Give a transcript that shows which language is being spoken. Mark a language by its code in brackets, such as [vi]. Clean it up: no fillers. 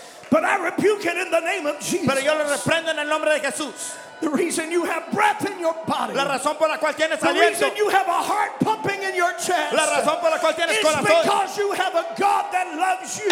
[en] But I rebuke it in the name of Jesus. [es] Pero yo lo reprendo en el nombre de Jesús. [en] The reason you have breath in your body. [es] La razón por la cual tienes aliento. [en] The reason you have a heart pumping in your chest. [es] La razón por la cual tienes corazón. [en] It's because you have a God that loves you.